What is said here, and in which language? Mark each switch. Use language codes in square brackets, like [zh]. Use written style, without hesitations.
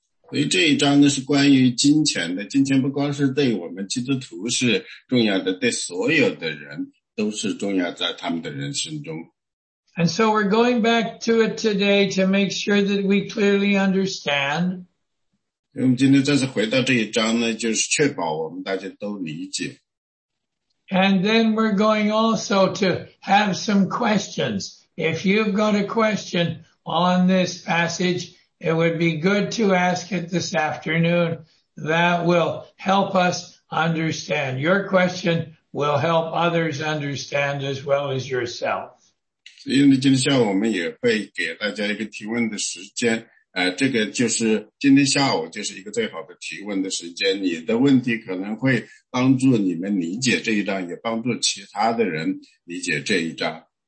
[zh] 所以这一章呢是关于金钱的，金钱不光是对我们基督徒是重要的，对所有的人都是重要在他们的人生中。 [en] And so we're going back to it today to make sure that we clearly understand. [zh] 我们今天再次回到这一章呢，就是确保我们大家都理解。 [en] And then we're going also to have some questions. If you've got a question on this passage,It would be good to ask it this afternoon. That will help us understand. Your question will help others understand as well as yourself. [zh] 所以呢，今天下午我们也会给大家一个提问的时间。这个就是今天下午就是一个最好的提问的时间。你的问题可能会帮助你们理解这一章，也帮助其他的人理解这一章。